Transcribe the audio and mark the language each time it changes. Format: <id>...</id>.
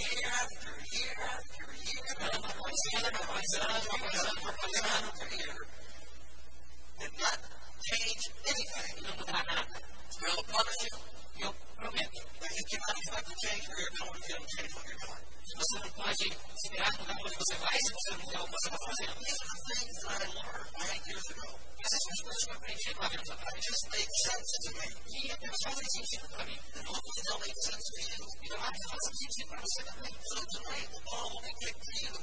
<en>year after year after year, year after year, and not change anything. No, no, no, no. We'll punish you, you'll permit you. But you cannot expect to change where you're going if you don't change what you're doing.</en> <pt>Você não pode esperar mudar para você vai se você não der o que você está fazendo.</pt> <en>These are the things that I learned 9 years ago.</en> <pt>Essas são as coisas que eu aprendi 9 anos atrás.</pt> <en>It just makes sense to me.</en> <pt>E elas fazem sentido para mim.</pt> <en>And hopefully they'll make sense to you.</en> <pt>E tomara que façam sentido para você também.</pt> <en>So tonight the ball will be kicked to you.</en>